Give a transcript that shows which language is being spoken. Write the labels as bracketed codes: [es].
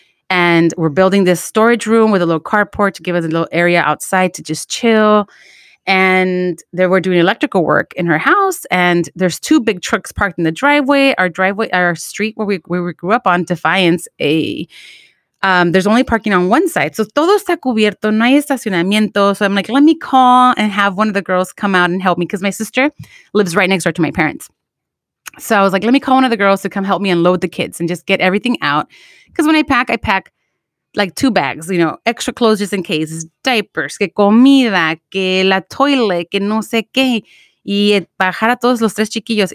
[en] And we're building this storage room with a little carport to give us a little area outside to just chill. And they were doing electrical work in her house. And there's two big trucks parked in the driveway. Our street where we grew up on, Defiance, there's only parking on one side. [es] So todo está cubierto, no hay estacionamiento. [en] So I'm like, let me call and have one of the girls come out and help me, because my sister lives right next door to my parents. So I was like, let me call one of the girls to come help me unload the kids and just get everything out. Because when I pack like two bags, you know, extra clothes just in case, diapers, [es] que comida, que la toilet, que no sé qué, y bajar a todos los tres chiquillos.